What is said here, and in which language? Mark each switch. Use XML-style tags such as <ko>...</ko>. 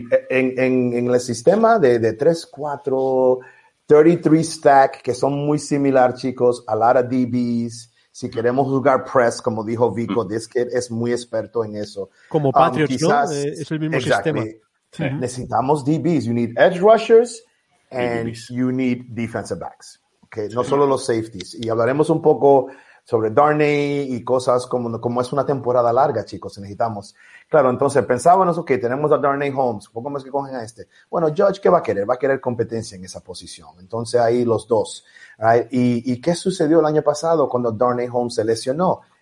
<es>En el sistema de 3-4, 33 stack, que son muy similar, chicos,</es> <en>a lot of DBs.</en> <es>Si queremos jugar press, como dijo Vico,</es> <en>this kid</en> <es>es muy experto en eso. Como Patriots, quizás, ¿no? Es el mismo sistema. Necesitamos DBs.</es> <en>You need edge rushers and you need defensive backs.</en> <es>Okay, no solo los safeties. Y hablaremos un poco sobre Darnay y cosas como es una temporada larga, chicos. Necesitamos. Claro, entonces pensábamos, ok, tenemos a Darnay Holmes. ¿Cómo es que cogen a este? Bueno, Judge, ¿qué va a querer? Va a querer competencia en esa posición. Entonces ahí los dos. Right? ¿Y qué sucedió el año pasado cuando Darnay Holmes se lesionó?</es>